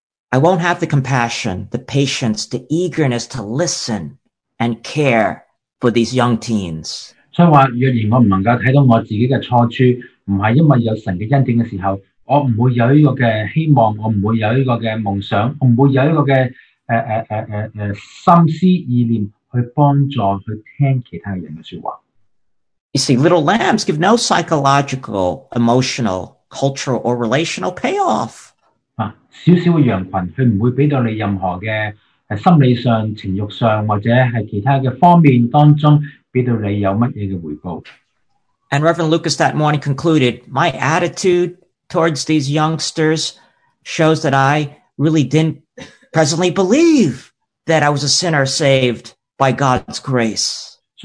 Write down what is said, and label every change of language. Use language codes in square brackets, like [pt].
[en] I won't have the compassion, the patience, the eagerness to listen and care for these young teens. [zh] 所以說,若然我不能夠看到我自己的錯處,不是因為有神的恩典的時候,我不會有這個希望,我不會有這個夢想,我不會有這個心思意念去幫助,去聽其他人的說話。 [en] You see, little lambs give no psychological, emotional, cultural, or relational payoff. [zh] 小小的羊群,它不會給到你任何的心理上,情慾上,或者是其他的方面當中, [en] And Reverend Lucas that morning concluded, my attitude towards these youngsters shows that I really didn't presently believe that I was a sinner saved by God's grace.